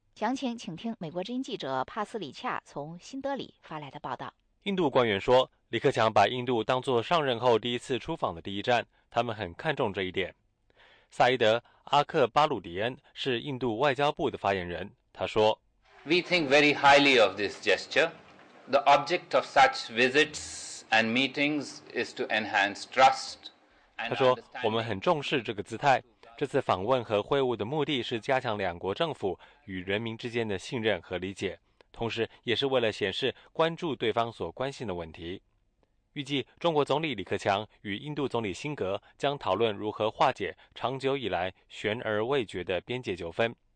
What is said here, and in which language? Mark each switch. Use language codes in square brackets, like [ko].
[zh] 详情请听美国之音记者帕斯里恰从新德里发来的报道。印度官员说，李克强把印度当作上任后第一次出访的第一站，他们很看重这一点。萨伊德·阿克巴鲁迪恩是印度外交部的发言人，他说 [en] We think very highly of this gesture. The object of such visits and meetings is to enhance trust. [zh] 他说，我们很重视这个姿态，这次访问和会晤的目的是加强两国政府与人民之间的信任和理解，同时也是为了显示关注对方所关心的问题。预计中国总理李克强与印度总理辛格将讨论如何化解长久以来悬而未决的边界纠纷。